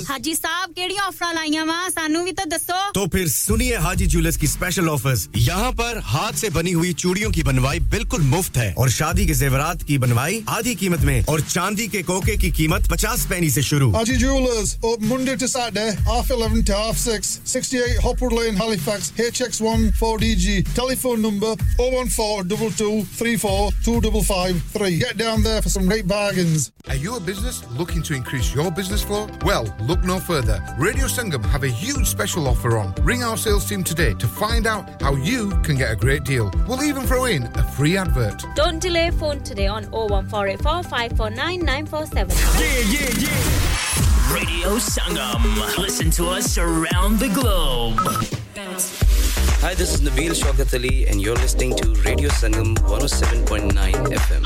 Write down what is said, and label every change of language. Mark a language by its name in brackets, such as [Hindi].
[Punjabi] ہاں جی صاحب کیڑی آفر لائیاں وہاں سانو بھی تو دسو [Urdu] تو پھر سنیے حاجی جولرز کی اسپیشل آفرز یہاں پر ہاتھ سے بنی ہوئی چوڑیوں کی بنوائی بالکل مفت ہے اور شادی کے زیورات کی بنوائی آدھی قیمت میں اور چاندی کے کوکے کی قیمت 50 پینی سے شروع [English] Haji jewellers open Monday to Saturday half 11 to half 6 68 Hopwood lane Halifax HX14DG telephone number 01422342553 get down there for some great bargains are you a business looking to increase your business flow well look no further radio Sangam have a huge special offer on Ring our sales team today to find out how you can get a great deal. We'll even throw in a free advert. Don't delay, phone today on 01484549947. Yeah. Radio Sangam. Listen to us around the globe. Hi, this is Nabeel Shaukat Ali, and you're listening to Radio Sangam 107.9 FM.